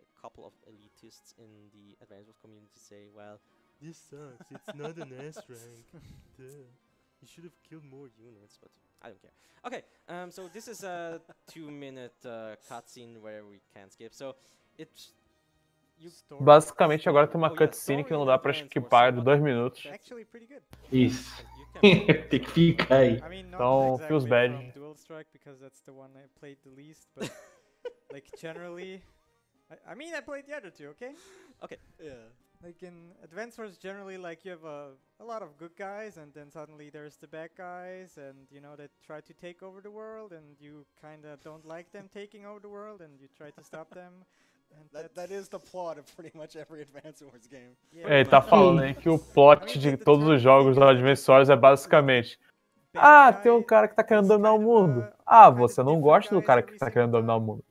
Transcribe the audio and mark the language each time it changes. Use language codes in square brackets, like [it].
[en] A couple of elitists in the advanced community say, well, this sucks. It's not an S rank. You should have killed more units, but I don't care. Ok, so this is a 2-minute cutscene where we can't skip. So it's. [pt] Basicamente agora tem uma cutscene que não dá pra skipar de 2 minutos. Isso. Tem que ficar aí. [en] Então, feels bad. Dual Strike because that's the one I played the least, but like generally I mean I played the other two, okay? Okay. Yeah. Like in Advance Wars generally like you have a lot of good guys and then suddenly there's the bad guys and you know they try to take over the world and you kinda don't like them taking over the world and you try to stop them. That is the plot of pretty much every Advance Wars game. [pt] Yeah, ele tá falando aí que o plot de todos os jogos da Advance Wars é basicamente: ah, tem um cara que tá querendo dominar o mundo. Ah, você não gosta do cara que tá querendo dominar o mundo.